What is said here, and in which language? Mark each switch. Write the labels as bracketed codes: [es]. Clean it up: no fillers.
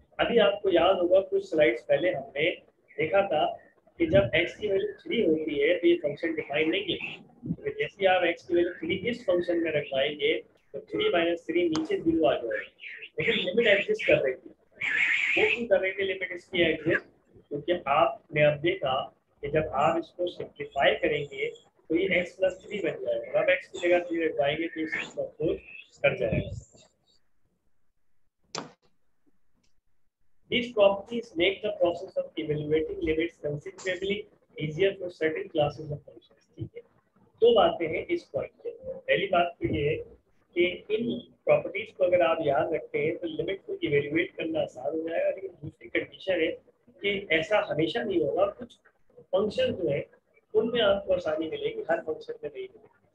[hi] अभी आपको याद होगा कुछ स्लाइड्स पहले हमने देखा था कि जब एक्स की वैल्यू थ्री होती है तो ये फंक्शन डिफाइन नहीं है, क्योंकि जैसे ही आप एक्स की वैल्यू थ्री इस फंक्शन में रखवाएंगे तो थ्री माइनस थ्री नीचे जीरो आ जाएगी, लेकिन लिमिट एग्जिस्ट कर रही थी। वो क्यों कर रही थी लिमिट इसकी एग्जिस्ट, क्योंकि आपने अब देखा कि जब आप इसको सिंप्लीफाई करेंगे तो ये एक्स प्लस थ्री बन जाएगा, अब एक्स की जगह थ्री रखवाएंगे तो इसको अप्रोच कर जाएगा। [en] These properties make the process of evaluating limits considerably easier for certain classes of functions. [hi] ठीक है, दो बातें हैं इस पॉइंट के। पहली बात तो ये है कि इन प्रॉपर्टीज को अगर आप याद रखते हैं तो लिमिट को इवेल्युएट करना आसान हो जाएगा। लेकिन दूसरी कंडीशन है कि ऐसा हमेशा नहीं होगा, कुछ फंक्शन जो है उनमें आपको आसानी मिलेगी, हर फंक्शन में नहीं मिलेगी।